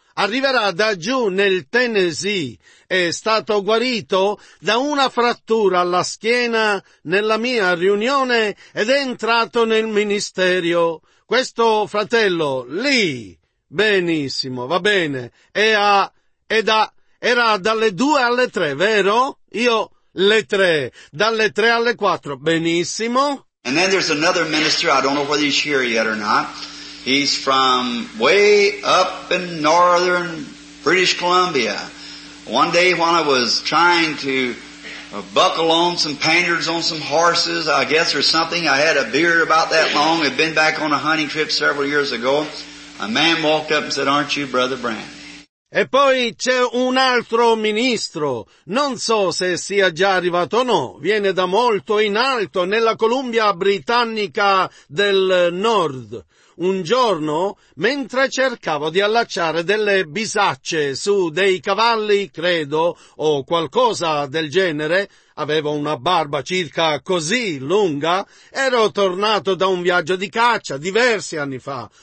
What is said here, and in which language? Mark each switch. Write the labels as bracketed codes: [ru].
[it] Arriverà da giù nel Tennessee. È stato guarito da una frattura alla schiena nella mia riunione ed è entrato nel ministero. Questo fratello lì, benissimo, va bene. Era dalle 2 alle 3, vero? Io le 3, dalle 3 alle 4, benissimo. [en] And then there's another minister, I don't know whether he's here yet or not. He's from way up in northern British Columbia. One day when I was trying to buckle on some panniers on some horses, I guess, or something, I had a beard about that long, had been back on a hunting trip several years ago, a man walked up and said, "Aren't you Brother Branham?" [it] E poi c'è un altro ministro, non so se sia già arrivato o no, viene da molto in alto nella Columbia Britannica del Nord. Un giorno, mentre cercavo di allacciare delle bisacce su dei cavalli, credo, o qualcosa del genere, avevo una barba circa così lunga, ero tornato da un viaggio di caccia diversi anni fa.